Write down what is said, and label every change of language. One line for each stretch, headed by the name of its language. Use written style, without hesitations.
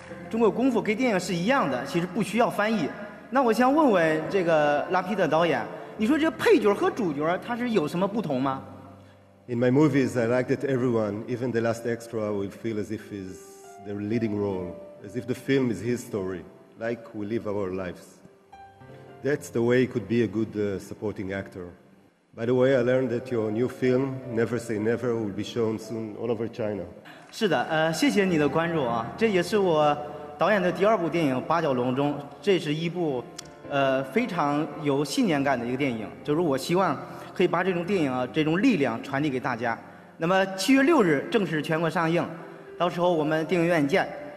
Chinese: 中国功夫跟电影是一样的，其实不需要翻译。那我想问问这个拉皮德导演，你说这配角和主角他是有什么不同吗？
English: In my movies, I like that everyone, even the last extra, will feel as if it's their leading role, as if the film is his story, like we live our lives. That's the way it could be a good, supporting actor. By the way, I learned that your new film, Never Say Never, will be shown soon all over China.
Chinese: 是的，谢谢你的关注啊，这也是我导演的第二部电影《八角笼中》，这是一部非常有信念感的一个电影，就是我希望可以把这种电影啊这种力量传递给大家。那么7月6日正式全国上映，到时候我们电影院见。